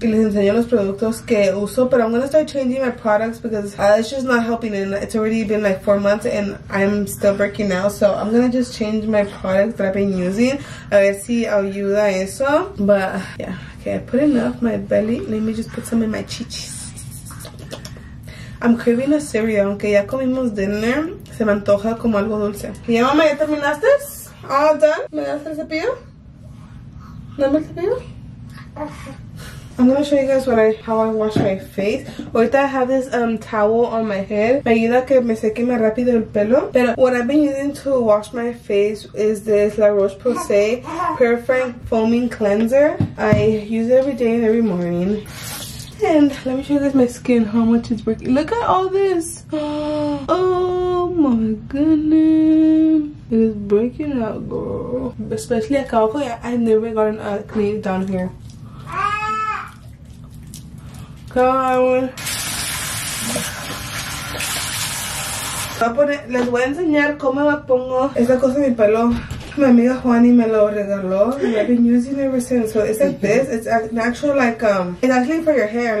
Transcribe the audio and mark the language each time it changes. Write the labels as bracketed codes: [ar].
[es] Y les enseño los productos que uso, pero [en] I'm gonna start changing my products because it's just not helping. And it's already been like 4 months and I'm still breaking out. So I'm gonna just change my products that I've been using. [es] A ver si ayuda. [en] So, but yeah, okay, I put enough my belly. Let me just put some in my chichis. I'm craving a cereal. [es] Aunque ya comimos dinner, se me antoja como algo dulce. Y ya, mamá, ¿ya terminaste? [en] All done. [es] ¿Me das el cepillo? ¿Dame el cepillo? [en] I'm gonna show you guys how I wash my face. Ahorita I have this towel on my head. [es] Me ayuda que me seque más rápido el pelo. [en] But what I've been using to wash my face is this La Roche-Posay Perfect Foaming Cleanser. I use it every day and every morning. And let me show you guys my skin, how much it's working. Look at all this. Oh my goodness. It is breaking out, girl. Especially [es] acá abajo, [en] I've never gotten acne down here. Come on. [es] Les voy a enseñar cómo me pongo esta cosa en mi pelo. Mi amiga Juani me lo regaló. [en] I've been using it ever since. So it's like this. It's an actual like, it's actually for your hair.